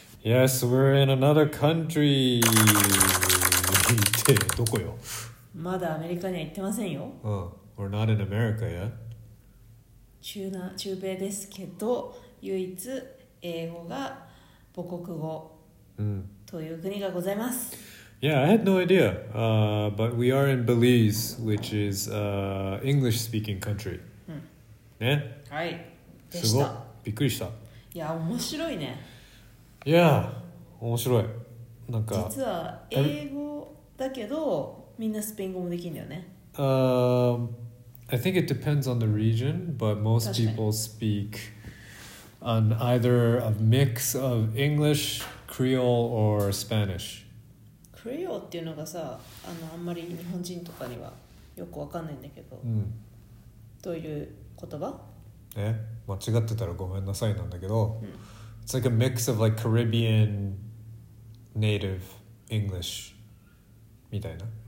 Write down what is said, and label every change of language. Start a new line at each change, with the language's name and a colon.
English: Yes, we're in another country.
Japanese: ってどこよ？まだアメリカには行ってませんよ。
English: We're not in America yet.
Japanese: 中米ですけど、唯一英語が母国語という国がございます。
English: Yeah, I had no idea. But we are in Belize, which is an English-speaking country.
Japanese: ね？はい。すごい。びっくりした。いや、面白いね。いや、面白い。なんか実は英語だけどみんなスペイン語もできるんだよね。
English: I think it depends on the region, but most people speak on either a mix of English, Creole or Spanish.
Japanese: Creole っていうのがさ、あんまり日本人とかにはよくわかんないんだけど、どういう言葉？え、間違ってたらごめんなさいなんだけど。うん、
English: It's like a mix of like Caribbean native English
Japanese: みたいな。